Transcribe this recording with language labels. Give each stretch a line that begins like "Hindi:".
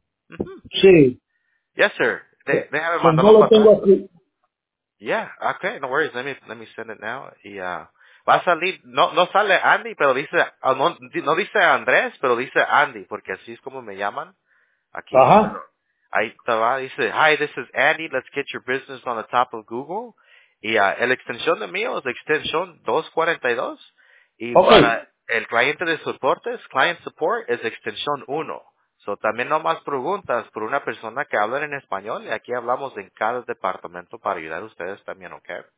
Spanish: Mm-hmm. Sí.
English: Yes, sir.
Spanish: Déjame mandar. No lo tengo aquí.
English: Yeah, okay, no worries. Let me send it now.
Spanish: Y va a salir, no sale Andy, pero dice, no dice Andrés, pero dice Andy, porque así es como me llaman aquí. Ajá. Ahí te va, dice,
English: hi, this is Andy, let's get your business on the top of Google.
Spanish: Y el extensión de mío es la extensión 242. Y
English: okay.
Spanish: Para el cliente de soportes,
English: client support,
Spanish: es extensión 1. So, también no más preguntas por una persona que habla en español. Y aquí hablamos en cada departamento para ayudar a ustedes también, ¿ok?